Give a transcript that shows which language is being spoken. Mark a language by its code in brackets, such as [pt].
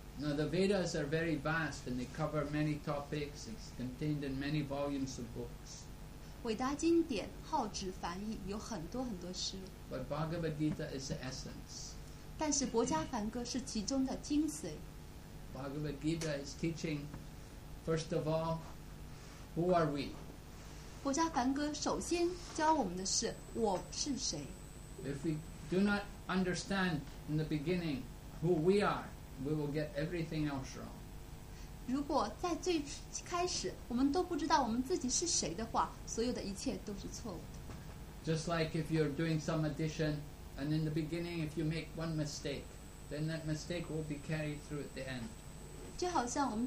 [en] Now the Vedas are very vast and they cover many topics. It's contained in many volumes of books. [zh] 伟达经典，浩纸繁翼，有很多很多诗。 [en] But Bhagavad Gita is the essence. [zh] 但是博迦梵歌是其中的精髓。 [en] Bhagavad Gita is teaching, first of all, who are we? [zh] 博迦梵歌首先教我们的是我是谁? [en] If we do not understand in the beginning who we are, we will get everything else wrong. [zh] 如果在最开始我们都不知道我们自己是谁的话，所有的一切都是错误的。 [en] Just like if you're doing some addition, and in the beginning if you make one mistake, then that mistake will be carried through at the end.